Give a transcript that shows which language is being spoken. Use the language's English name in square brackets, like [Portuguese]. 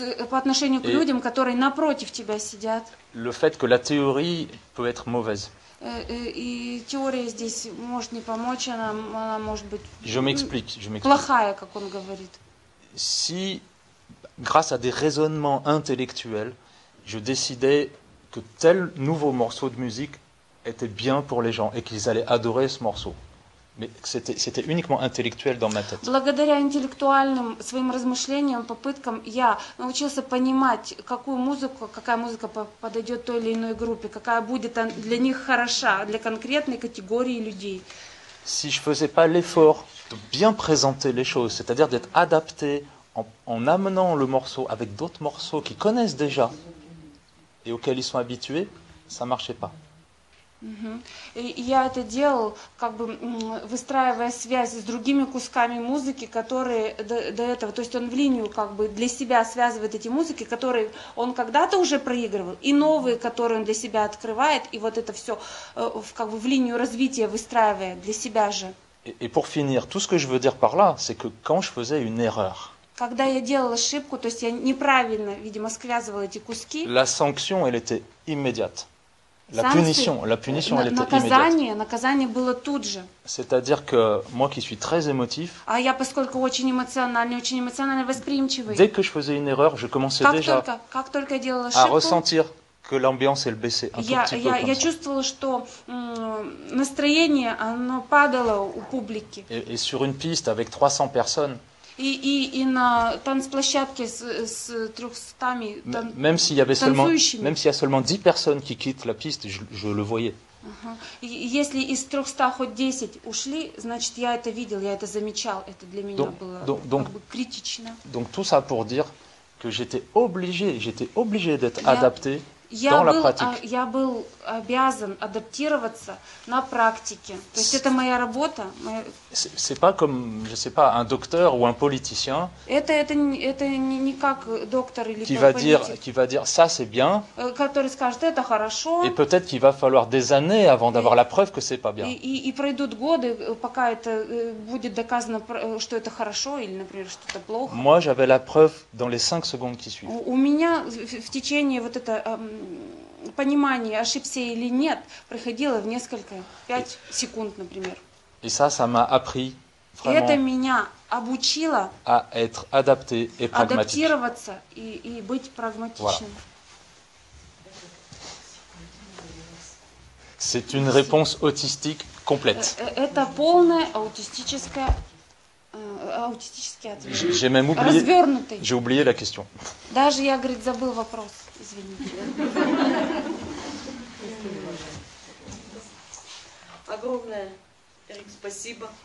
[Russian] по отношению к [French] et [Russian] людям, которые напротив тебя сидят. [French] Le fait que la théorie peut être mauvaise. [Russian] И теория здесь может не помочь, она может быть [French] je m'explique. [Russian] Плохая, как он говорит. [French] Si grâce à des raisonnements intellectuels, je décidais que tel nouveau morceau de musique était bien pour les gens et qu'ils allaient adorer ce morceau. Mais c'était uniquement intellectuel dans ma tête. [Russian] Благодаря интеллектуальным своим размышлениям, попыткам, я научился понимать, какая музыка подойдет той или иной группе, какая будет для них хороша, для конкретной категории людей. [French] Si je faisais pas l'effort de bien présenter les choses, c'est-à-dire d'être adapté en amenant le morceau avec d'autres morceaux qu'ils connaissent déjà et auxquels ils sont habitués, ça marchait pas. [Russian] И я это делал, как бы выстраивая связь с другими кусками музыки, которые до этого, то есть он в линию как бы для себя связывает эти музыки, которые он когда-то уже проигрывал, и новые, которые он для себя открывает, и вот это все как бы в линию развития выстраивая для себя же. И [French] pour finir, tout ce que je veux dire par là, c'est que quand je faisais une erreur. [Russian] Когда я делал ошибку, то есть я неправильно, видимо, связывал эти куски. [French] La sanction, elle était immédiate. La punition, elle était immédiate. [Russian] Наказание было тут же. [French] C'est-à-dire que moi qui suis très émotif. [Russian] А я, поскольку очень эмоционально восприимчивый. [French] Dès que je faisais une erreur, je commençais déjà. [Russian] Как только я делал ошибку. [French] À ressentir que l'ambiance elle baissait un tout petit peu. [Russian] Я чувствовала, что настроение оно падало у публики. [French] Et sur une piste avec 300 personnes. [Russian] И на танцплощадке с 300 танцующими. [French] Même s'il y a seulement 10 personnes qui quittent la piste, je le voyais. Uh-huh. [Russian] Если из 300 хоть 10 ушли, значит, я это видел, я это замечал. Это для меня было критично. [French] Donc tout ça pour dire que j'étais obligé d'être adapté dans la pratique. [Russian] Я был обязан адаптироваться на практике. То есть это моя работа. [French] C'est pas comme, je sais pas, un docteur ou un politicien. [Russian] Это не как доктор или политик. [French] Qui va dire ça c'est bien. [Russian] Который скажет это хорошо. [French] Et peut-être qu'il va falloir des années avant d'avoir la preuve que c'est pas bien. [Russian] И пройдут годы, пока это будет доказано, что это хорошо или, например, что это плохо. [French] Moi j'avais la preuve dans les 5 secondes qui suivent. [Russian] У меня в течение вот это понимание, ошибся или нет, проходило в несколько, 5 секунд, например. [French] Et ça m'a appris, vraiment, [Russian] это меня обучило [French] à être adapté et pragmatique. [Russian] Адаптироваться и быть прагматичным. [French] Voilà. C'est une réponse autistique complète. [Russian] Это полная аутистическая аутистический ответ. [French] J'ai même oublié, [Russian] развернутый. [French] J'ai oublié la question. [Russian] Даже я, говорит, забыл вопрос. Извините. Огромное, Эрик, спасибо.